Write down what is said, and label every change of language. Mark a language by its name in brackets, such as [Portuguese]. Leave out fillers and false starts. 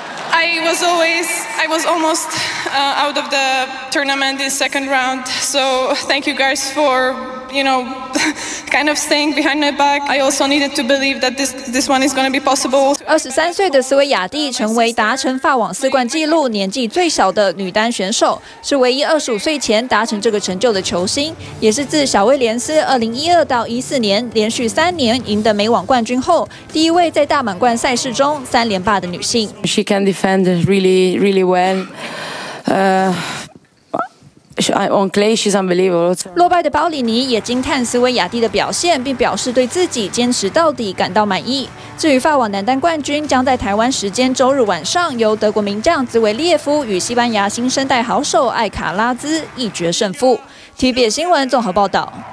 [English] I was almost out of the tournament in the second round. So thank you guys for, you know, kind of staying behind my back. I also needed to believe that this one is going to be possible. [Chinese] 23岁的斯威亚蒂成为达成法网四冠纪录年纪最小的女单选手，是唯一25岁前达成这个成就的球星，也是自小威廉斯2012到14年连续3年赢得美网冠军后，第一位在大满贯赛事中3连霸的女性。 [English] She can defend really, really well. On clay, she's unbelievable. [Chinese] 落败的包里尼也惊叹斯威亚蒂的表现，并表示对自己坚持到底感到满意。至于法网男单冠军，将在台湾时间周日晚上由德国名将兹维列夫与西班牙新生代好手艾卡拉兹一决胜负。 TVBS 新闻综合报道。